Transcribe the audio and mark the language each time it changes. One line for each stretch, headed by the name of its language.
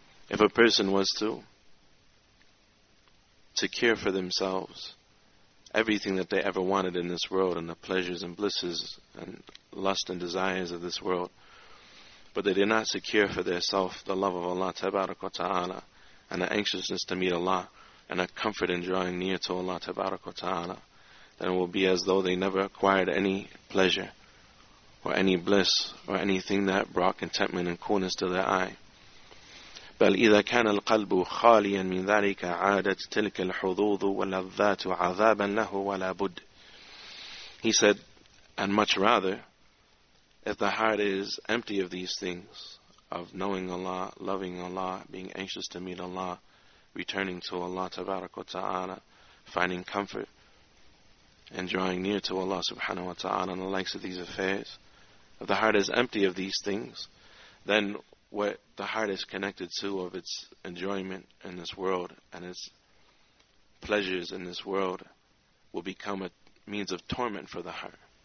English: If a person was to care for themselves everything that they ever wanted in this world, and the pleasures and blisses and lust and desires of this world, but they did not secure for themselves the love of Allah tabarak wa ta'ala, and the anxiousness to meet Allah, and a comfort in drawing near to Allah tabarak wa ta'ala, then it will be as though they never acquired any pleasure or any bliss or anything that brought contentment and coolness to their eye.
Arabic: بل إذا كان القلب خاليا من ذلك عادت تلك الحظوظ واللذات عذابا له ولا بد.
English: He said, and much rather, if the heart is empty of these things, of knowing Allah, loving Allah, being anxious to meet Allah, returning to Allah tabarak wa ta'ala, finding comfort and drawing near to Allah subhanahu wa ta'ala and the likes of these affairs, if the heart is empty of these things, then what the heart is connected to of its enjoyment in this world and its pleasures in this world will become a means of torment for the heart.